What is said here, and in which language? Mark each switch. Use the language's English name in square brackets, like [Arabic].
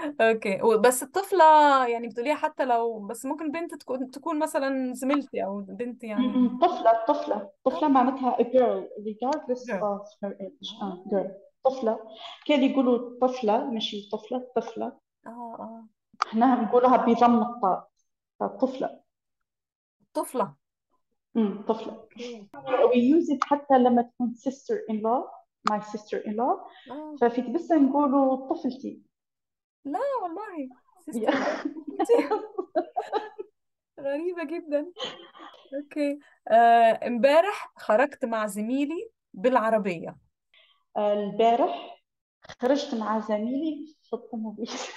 [Arabic] أوكي، بس الطفلة يعني بتقوليها حتى لو، بس ممكن بنت تكون مثلا زميلتي أو بنت يعني. الطفلة الطفلة الطفلة معناتها [English] a girl regardless Girl. of her age. [Arabic] Girl طفلة، كان يقولوا طفلة مش طفلة، طفلة احنا نقولها بضم الطاء، طفلة. طفلة. طفلة أوكي. [English] we use it [Arabic] حتى لما تكون [English] sister in law, my sister in law. [Arabic] ففي بس نقولوا طفلتي. لا والله، سيستر انتي غريبة جدا. اوكي، امبارح خرجت مع زميلي بالعربية. البارح خرجت مع زميلي في الطوموبيل.